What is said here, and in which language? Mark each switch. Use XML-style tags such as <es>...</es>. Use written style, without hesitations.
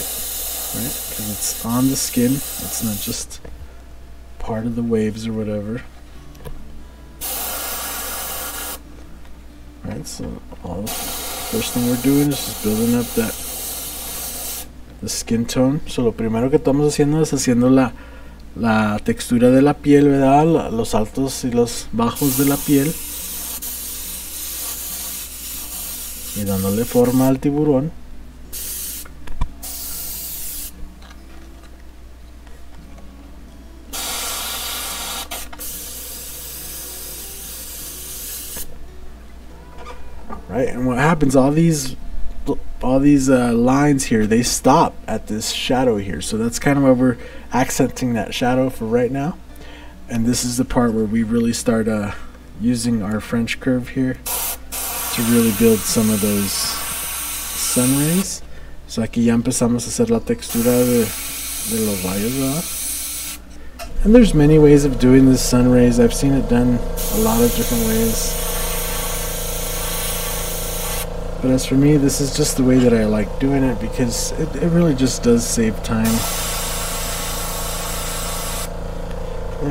<en>Right, because it's on the skin, it's not just part of the waves or whatever. Right, so all first thing we're doing is just building up the skin tone.</en> <es>So lo primero que estamos haciendo es haciendo la textura de la piel, ¿verdad? Los altos y los bajos de la piel. Y dándole forma al tiburón.</es> <en>Right, and what happens, all these lines here, they stop at this shadow here. So that's kind of why we're accenting that shadow for right now. And this is the part where we really start using our French curve here to really build some of those sun rays.</en> <es>So aquí ya empezamos a hacer la textura de los rayos, ¿verdad?</es> <en>And there's many ways of doing the sun rays. I've seen it done a lot of different ways. But as for me, this is just the way that I like doing it because it really just does save time.</en>